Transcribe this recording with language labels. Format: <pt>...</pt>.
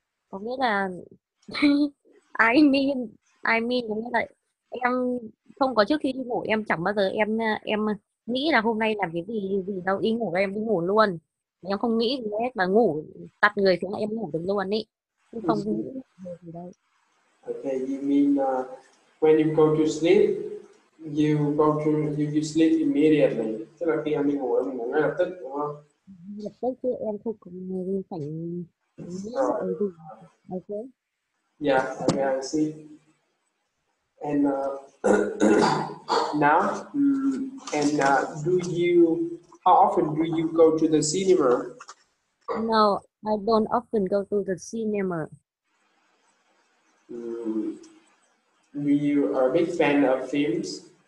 <vi>Có nghĩa là</vi> <en>I mean</en> <vi>có nghĩa là em không có, trước khi đi ngủ em chẳng bao giờ em nghĩ là hôm nay làm cái gì đâu, đi ngủ em đi ngủ luôn. Em không nghĩ gì hết mà ngủ, tắt người xuống là em ngủ được luôn ý. Không nghĩ gì gì đâu.</vi> <en>Okay, you mean when you go to sleep, you sleep immediately.</en> <vi>Tức là khi em đi ngủ, em ngủ ngay lập tức đúng không? Lập tức chứ em không có người phải nghĩ gì. Okay.</vi> <en>Yeah, okay, I see. now, and do you, how often do you go to the cinema? No, I don't often go to the cinema. Do you a big fan of films?</en>